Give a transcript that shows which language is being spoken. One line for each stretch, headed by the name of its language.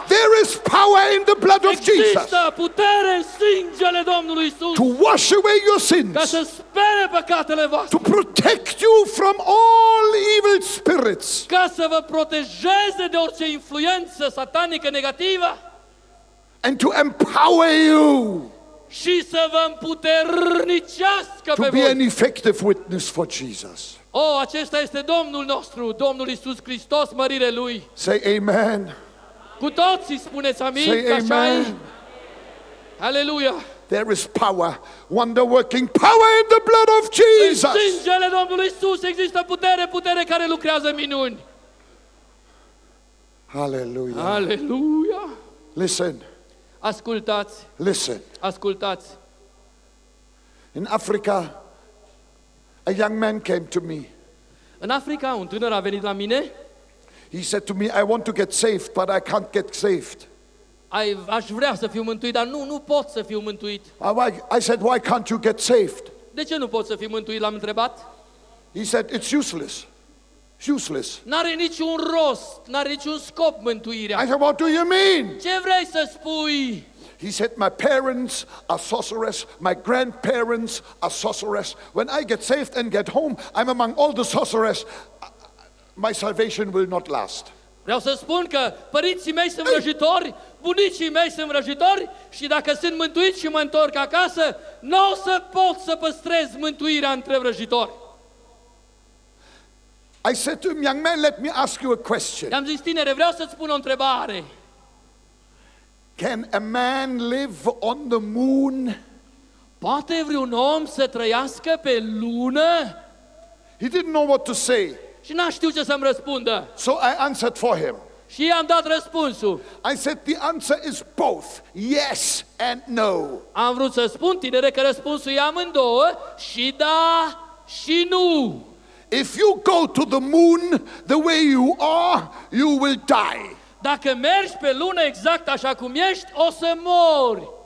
English: There is power in the blood of Jesus.
Romanian: Există putere în sângele Domnului Isus.
English: To wash away your sins.
Romanian: Ca să spele păcatele voastre.
English: To protect you from all evil spirits.
Romanian: Ca să vă protejeze de orice influență satanică negativă.
English: And to empower you.
Romanian: Și să vă împuternicească pe voi.
English: To be an effective witness for Jesus.
Romanian: Oh, acesta este Domnul nostru, Domnul Iisus Hristos, mărire Lui.
English: Say amen.
Romanian: Cu toții spuneți amin.
English: Say amen.
Romanian: Aleluia.
English: There is power, wonder-working power in the blood of Jesus.
Romanian: În sângele Domnului Iisus există putere, putere care lucrează minuni.
English: Hallelujah. Hallelujah. Listen.
Romanian: Ascultați.
English: Listen.
Romanian: Ascultați.
English: In Africa, a young man came to me.
Romanian: În Africa, un tânăr a venit la mine.
English: He said to me, I want to get saved, but I can't get saved.
Romanian: Aș vrea să fiu mântuit, dar nu pot să fiu mântuit.
English: I said, why can't you get saved?
Romanian: De ce nu pot să fiu mântuit, l-am întrebat.
English: He said, it's useless. Useless.
Romanian: N-are niciun rost, n-are niciun scop mântuirea.
English: I said, what do you mean?
Romanian: Ce vrei să spui?
English: He said, my parents are sorcerers, my grandparents are sorcerers. When I get saved and get home, I'm among all the sorcerers. My salvation will not last.
Romanian: Vreau să spun că părinții mei sunt vrăjitori, bunicii mei sunt vrăjitori și dacă sunt mântuit și mă întorc acasă, n-o să pot să păstrez mântuirea între vrăjitori.
English: I said to him, young man, let me ask you a question.
Romanian: I-am zis, tinere, vreau să-ți pun o întrebare.
English: Can a man live on the moon?
Romanian: Poate vreun om să trăiască pe lună?
English: He didn't know what to say.
Romanian: Și n-a știut ce să-mi răspundă.
English: So I answered for him.
Romanian: Și i-am dat răspunsul.
English: I said the answer is both, yes and no.
Romanian: Am vrut să spun, tinere, că răspunsul e amândouă, și da, și nu.
English: If you go to the moon the way you are, you will die.
Romanian: Dacă mergi pe lună exact așa cum ești, o să mori.